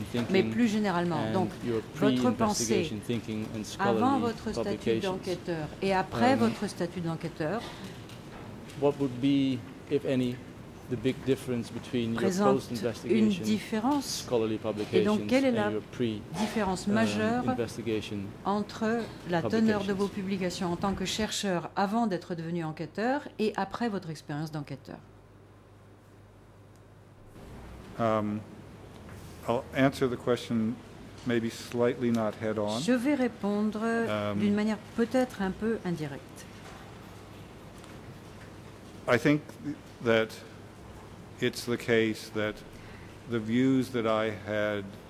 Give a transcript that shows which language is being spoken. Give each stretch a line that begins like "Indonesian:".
French: Mais plus généralement, donc, votre pensée avant votre statut d'enquêteur et après votre statut d'enquêteur,
English: what would be, if any, the big difference between your post-investigation scholarly publications
French: et
English: and your
French: pre-investigation entre la teneur de vos publications en tant que chercheur avant d'être devenu enquêteur et après votre expérience d'enquêteur?
English: I'll answer the question maybe slightly not head-on.
French: Je vais répondre d'une manière peut-être un peu indirecte.
English: I think that it's the case that the views that I had,